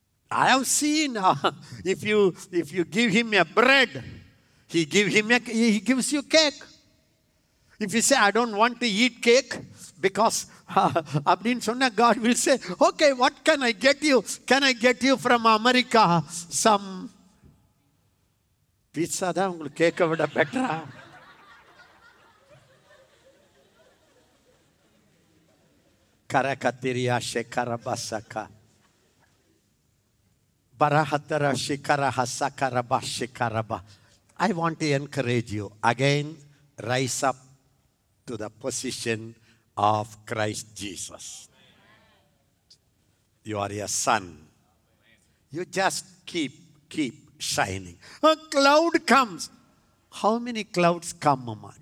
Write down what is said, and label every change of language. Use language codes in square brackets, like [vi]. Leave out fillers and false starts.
[en] I have seen if you give him a bread, he gives you cake. If you say, I don't want to eat cake because Abdin Sonna, God will say, okay, what can I get you? Can I get you from America some [ta] pizza தான் உங்களுக்கு கேட்க விட பெட்டரா. கர கத்திரியா சிக்கர பசக்கா பரஹத்தர சிக்கர ஹசக்கர பிக்கர ப. [en] I want to encourage you again, rise up to the position of Christ Jesus. You are a son. You just keep shining. A cloud comes. How many clouds come, Mama?